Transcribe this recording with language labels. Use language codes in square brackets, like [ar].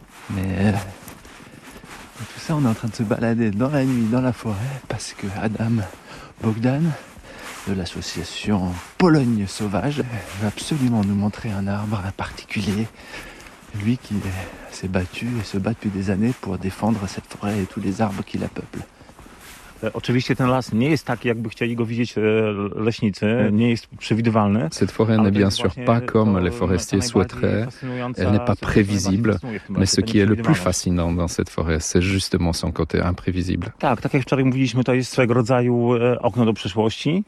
[fr] Mais tout ça, on est en train de se balader dans la nuit, dans la forêt, parce que Adam Bogdan, de l'association Pologne Sauvage, veut absolument nous montrer un arbre en particulier. Lui qui s'est battu et se bat depuis des années pour défendre cette forêt et tous les arbres qui la peuplent. [pl] Oczywiście ten las nie jest tak, jakby chcieli go widzieć leśnicy, nie jest przewidywalny. [fr] Cette forêt n'est bien sûr pas comme les forestiers souhaiteraient, elle n'est pas prévisible, mais ce qui est le plus fascinant dans cette forêt, c'est justement son côté imprévisible. [pl] Tak, tak jak wczoraj mówiliśmy, to jest swego rodzaju okno do przeszłości.